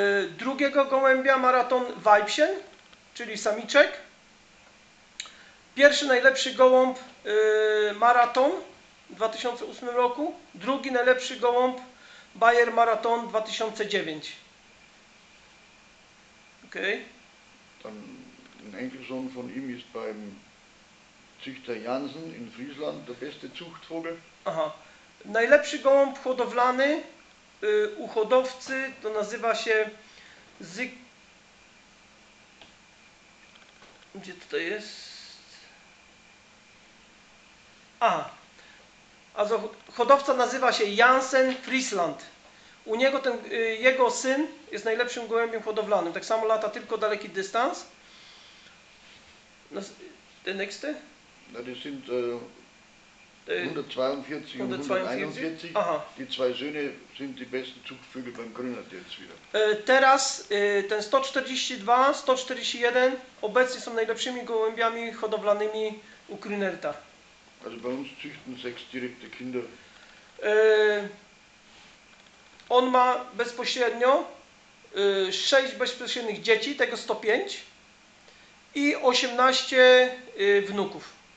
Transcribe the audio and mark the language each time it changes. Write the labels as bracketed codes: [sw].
[pl] Drugiego gołębia maraton Weibchen, czyli samiczek. Pierwszy najlepszy gołąb maraton w 2008 roku. Drugi najlepszy gołąb Bayer Maraton 2009. Okej. Okay. [de] Dann ein Enkelsohn von ihm ist beim Züchter Jansen in Friesland, der beste Zuchtvogel. [pl] Aha. Najlepszy gołąb hodowlany u hodowcy to nazywa się gdzie to jest? Aha. Also hodowca nazywa się Jansen Friesland. U niego ten jego syn jest najlepszym gołębiem hodowlanym. Tak samo lata tylko daleki dystans. [en] The next? [de] No, to sind 142 und 141. Aha. Die zwei Söhne sind die besten Zugvögel beim Grünert jetzt wieder. [pl] Teraz ten 142, 141 obecnie są najlepszymi gołębiami hodowlanymi u Grünerta. [de] Also bei uns züchten sechs direkte Kinder. [pl] On ma bezpośrednio 6 bezpośrednich dzieci, tego 105 i 18 wnuków.